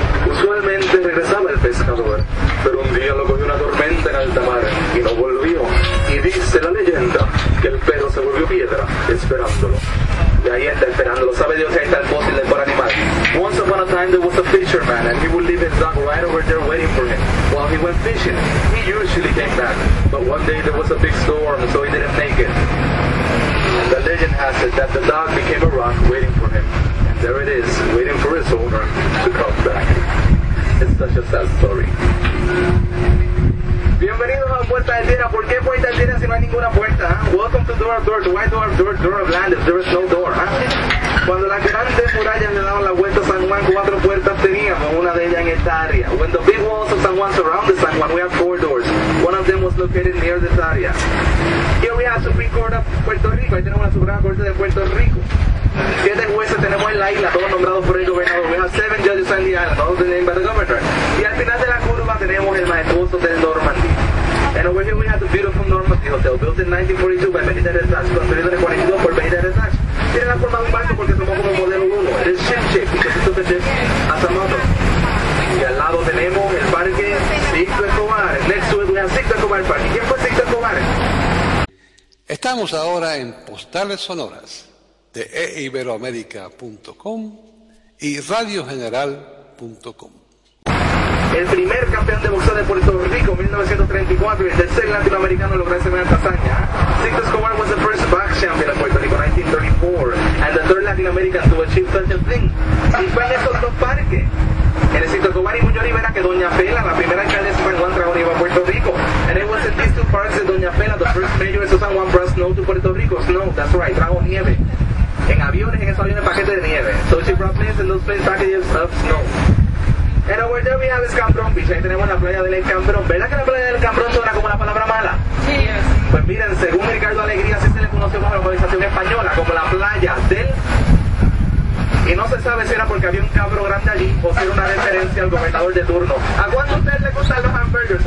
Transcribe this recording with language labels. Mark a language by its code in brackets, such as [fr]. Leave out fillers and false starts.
[es] Usualmente regresaba el pescador, pero un día lo cogió una tormenta en alta mar y no volvió. Y dice la leyenda que el perro se volvió piedra esperándolo. Y ahí está esperándolo. ¿Sabe Dios si ahí está el fósil del buen animal? [en] Once upon a time there was a fisherman and he would leave his dog right over there waiting for him while he went fishing. He usually came back, but one day there was a big storm, so he didn't make it. The legend has it that the dog became a rock waiting for him. And there it is, waiting for its owner to come back. It's such a sad story. [es] Bienvenidos a Puerta de Tierra. ¿Por qué Puerta de Tierra si no hay ninguna puerta? ¿Eh? [en] Welcome to Door of Doors. Why Door of Land if there is no door? ¿Eh? [es] Cuando las grandes murallas le daban la vuelta a San Juan, cuatro puertas teníamos, una de ellas en esta área. [en] When the big walls of San Juan surrounded San Juan, we have four doors. One of them was located near this area. Here we have Supreme Court of Puerto Rico. [es] Ahí tenemos la Suprema Corte de Puerto Rico. Siete jueces tenemos en la isla, todos nombrados por el gobernador. [en] We have seven judges on the island, all named by the governor. [es] Y al final de la curva tenemos el majestuoso Hotel Normandy. [en] And over here we have the beautiful Normandy Hotel, built in 1942 by Benita Rezach, [es] construido en el 42 por Benita Rezach. Tiene la forma de un barco porque tomó como modelo uno. [en] It is ship-shaped because it took a ship as a model. [es] Y al lado tenemos el parque Sixto Escobar. [en] Next to it we have Sixto Escobar Park. [es] ¿Quién fue Sixto Escobar? Estamos ahora en Postales Sonoras de eiberoamerica.com y radiogeneral.com. El primer campeón de boxeo de Puerto Rico, 1934, y el tercer latinoamericano logró esa gran hazaña. [en] Sixto Escobar was the first black champion of Puerto Rico, 1934, and the third Latin American to achieve such a thing. [es] Y fue en esos dos parques, en el Sixto Escobar y Muñoz Rivera, que Doña Fela, la primera alcaldesa de San Juan, trajo a Puerto Rico. [en] And it was in these two parks that Doña Fela, the first mayor of San Juan, brought snow to Puerto Rico. Snow, that's right, [es] trajo nieve. En aviones, en esos aviones, paquete de nieve. [en] So she brought plants in those plants, packages of snow. And over there we have Scambron Beach. [es] Ahí tenemos la playa del Scambron. ¿Verdad que la playa del Scambron suena como la palabra mala? Sí, [en] yes. [es] Pues miren, según Ricardo Alegría, así se le conoció como la localización española, como la playa del... Y no se sabe si era porque había un cabro grande allí o si era una referencia al gobernador de turno. ¿A cuánto a ustedes les gustan los hamburgers?